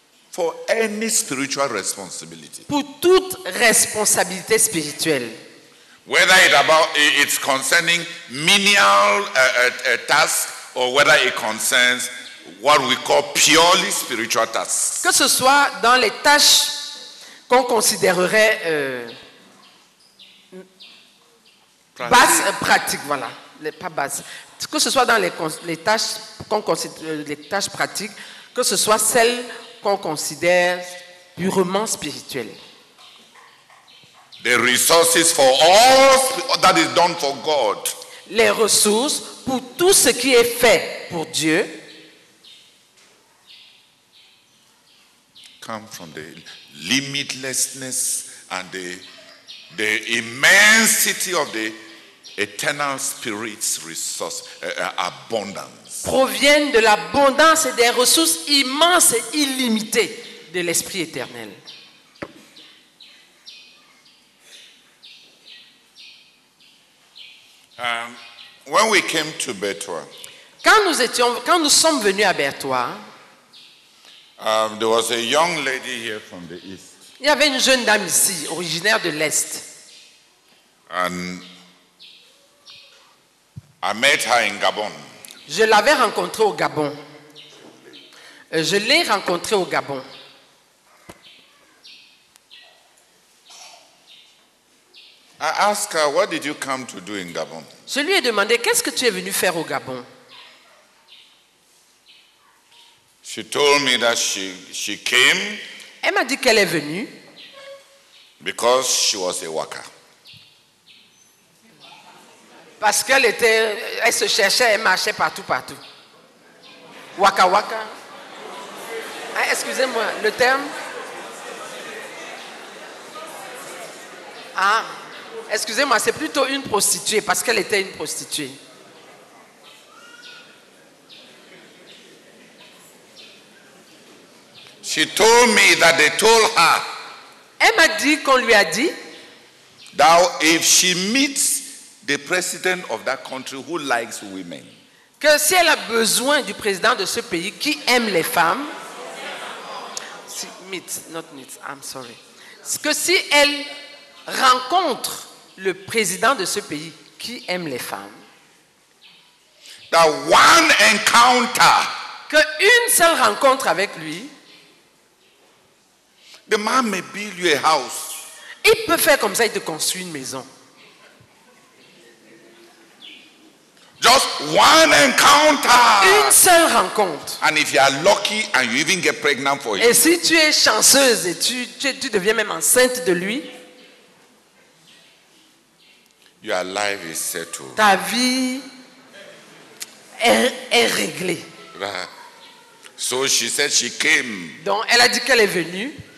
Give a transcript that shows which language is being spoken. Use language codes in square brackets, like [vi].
[en] For any spiritual responsibility. [fr] Pour toute responsabilité spirituelle. [en] Whether it's concerning menial tasks or whether it concerns what we call purely spiritual tasks. [fr] Que ce soit dans les tâches qu'on considérerait que ce soit dans les tâches qu'on considère les tâches pratiques, que ce soit celles qu'on considère purement spirituelles. [en] The resources for all that is done for God. [fr] Les ressources pour tout ce qui est fait pour Dieu. [en] Come from the limitlessness and the immensity of the eternal spirit's resource abundance. [fr] Proviennent de l'abondance et des ressources immenses et illimitées de l'esprit éternel. [en] When we came to Bethwa, [fr] quand nous sommes venus à Bethwa, [en] there was a young lady here from the east. [fr] Il y avait une jeune dame ici, originaire de l'est. [en] And I met her in Gabon. [fr] Je l'avais rencontrée au Gabon. Je l'ai rencontrée au Gabon. [en] I asked her, "What did you come to do in Gabon?" [fr] Je lui ai demandé, "Qu'est-ce que tu es venu faire au Gabon?" [en] She told me that she came. [fr] Elle m'a dit qu'elle est venue. [en] Because she was a worker. [fr] Parce qu'elle était, elle se cherchait, elle marchait partout. Waka waka. Ah, excusez-moi, le terme. Ah, excusez-moi, c'est plutôt une prostituée, parce qu'elle était une prostituée. [en] She told me that they told her. [fr] Elle m'a dit qu'on lui a dit. [en] Now, if she meets the president of that country who likes women. [fr] Que si elle a besoin du président de ce pays qui aime les femmes. Si, [en] meet, not meet, I'm sorry. [fr] Que si elle rencontre le président de ce pays qui aime les femmes. [en] That one encounter. [fr] Que une seule rencontre avec lui. [en] The man may build you a house. [fr] Il peut faire comme ça, il te construit une maison. [en] Just one encounter. [fr] Une seule rencontre. [en] And if you are lucky and you even get pregnant for him. [fr] Et si tu es chanceuse et tu deviens même enceinte de lui. [en] Your life is settled. [fr] Ta vie est réglée. [en] So she said she came. [fr] Donc elle a dit qu'elle est venue.